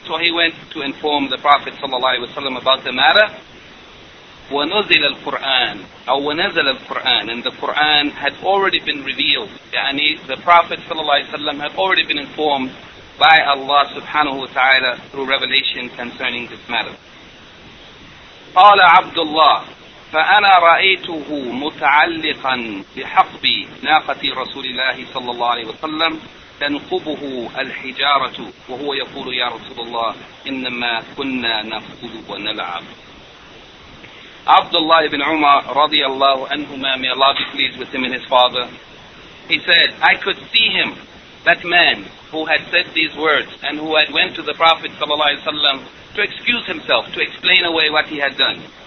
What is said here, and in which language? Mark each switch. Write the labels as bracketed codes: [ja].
[en] So he went to inform the Prophet صلى الله عليه وسلم about the matter. [ar] وَنُزِلَ الْقُرْآنِ أو وَنَزَلَ الْقُرْآنِ, [en] and the Quran had already been revealed. [ar] يعني [en] the Prophet صلى الله عليه وسلم had already been informed by Allah subhanahu wa ta'ala through revelation concerning this matter. [ar] قال عبد الله فأنا رأيته متعلقا بحقب ناقة رسول الله صلى الله عليه وسلم تنقبه الحجارة وهو يقول يا رسول الله إنما كنا نقود ونلعب. عبد الله بن عمر رضي الله عنهما, [en] may Allah be pleased with him and his father, he said, I could see him, that man who had said these words and who had went to the Prophet ﷺ to excuse himself, to explain away what he had done.